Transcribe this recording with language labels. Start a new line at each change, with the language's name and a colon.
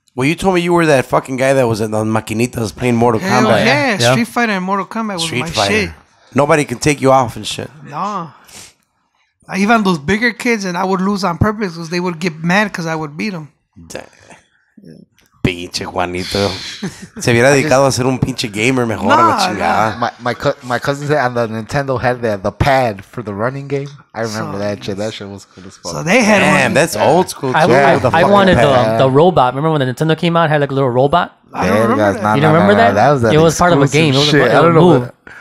English: Well, you told me you were that fucking guy that was in the maquinitas playing Mortal Kombat. Yeah. Street Fighter and Mortal Kombat was Street my Fighter. Shit. Nobody can take you off and shit. No. Even those bigger kids, and I would lose on purpose because they would get mad because I would beat them.
Spanish: Pinche Juanito. Se hubiera dedicado a ser un pinche gamer mejor. No,
English: my cousin said on the Nintendo had the pad for the running game. I remember that shit. That shit was cool as fuck. So they had one. Damn, that's old school too. I wanted the robot. Remember when the Nintendo came out? It had like a little robot? I don't remember that. You remember that? It was part of a game. It was a little move.